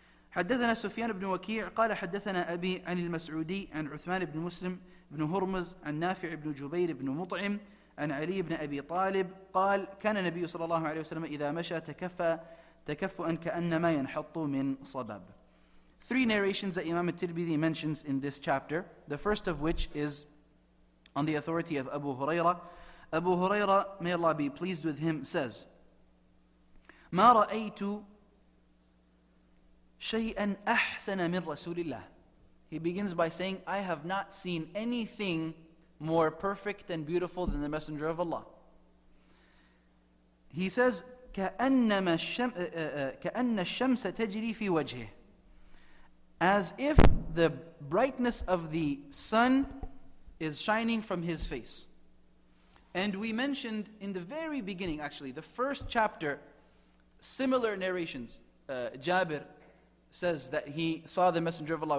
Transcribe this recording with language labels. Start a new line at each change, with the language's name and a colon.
Arabic: حدثنا سفيان بن وكيع قال حدثنا أبي عن المسعودي عن عثمان بن مسلم بن هرمز عن نافع بن جبير بن مطعم عن علي بن أبي طالب قال كان النبي صلى الله عليه وسلم إذا مشى تكفأ كأنما ينحط من صبب.
English: Three narrations that Imam al-Tirmidhi mentions in this chapter, the first of which is on the authority of Abu Huraira. Abu Huraira, may Allah be pleased with him, says
Arabic: ما رأيت شيئا أحسن من رسول الله.
English: He begins by saying, I have not seen anything more perfect and beautiful than the Messenger of Allah. He says,
Arabic: كَأَنَّ الشَّمْسَ تَجْرِي فِي وَجْهِهِ.
English: As if the brightness of the sun is shining from his face. And we mentioned in the very beginning, actually, the first chapter, similar narrations. Jabir says that he saw the Messenger of Allah.